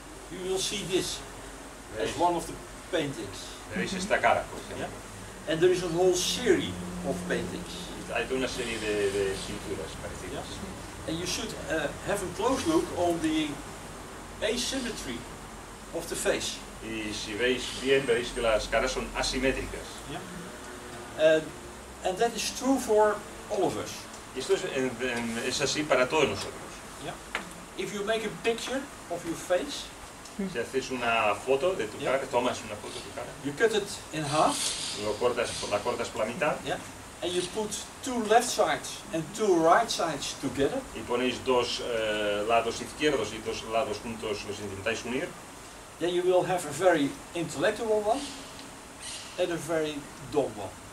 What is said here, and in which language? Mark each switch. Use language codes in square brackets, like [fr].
[en] you will see this as one of the paintings. [es] Veréis esta cara, por ejemplo. [en] Yeah? And there is a whole series of paintings. [es] Hay una serie de pinturas parecidas. [en] Yeah? And you should have a close look on the asymmetry of the face. [es] Y si veis bien, veréis que las caras son asimétricas. [en] Yeah? And that is true for all of us. [es] Esto es así para todos nosotros. [en] Yeah. If you make a picture of your face, [es] si haces una foto de tu cara, tomas una foto de tu cara. [en] You cut it in half. [es] La cortas por la mitad. [en] Yeah. and you put two left sides and two right sides together. [es] Y ponéis dos lados izquierdos y dos lados juntos, los intentáis unir. [en] Then you will have a very intellectual one and a very dumb one.